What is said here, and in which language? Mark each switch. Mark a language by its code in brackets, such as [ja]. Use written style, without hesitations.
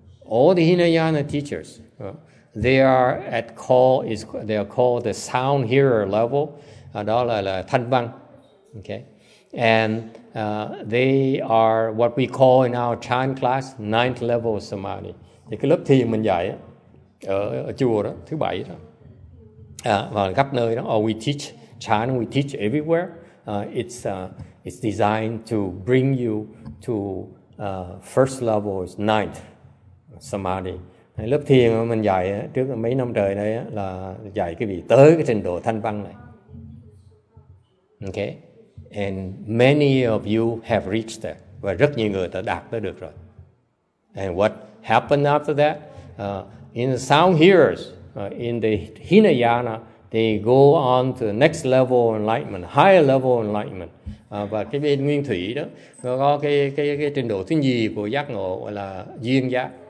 [en] All the Hinayana teachers, they are called the sound hearer level. [vi] Đó là thanh văn. [en] Okay, and they are what we call in our Chan class ninth level of samadhi. [vi] Thì cái lớp thiền mình dạy ở chùa đó thứ bảy đó, và khắp nơi đó. [en] Or we teach Chan, we teach everywhere. It's designed to bring you to first level is ninth samadhi. [vi] Lớp thiền mình dạy trước mấy năm trời đây là dạy cái vị tới cái trình độ thanh văn này. [en] Okay, and many of you have reached that. [vi] Và rất nhiều người đã đạt tới được rồi. [en] And what happened after that? In the sound hearers, in the Hinayana, they go on to the next level of enlightenment, higher level of enlightenment. [vi] Và cái bên Nguyên Thủy đó, nó có cái trình độ thứ nhì của giác ngộ gọi là duyên giác.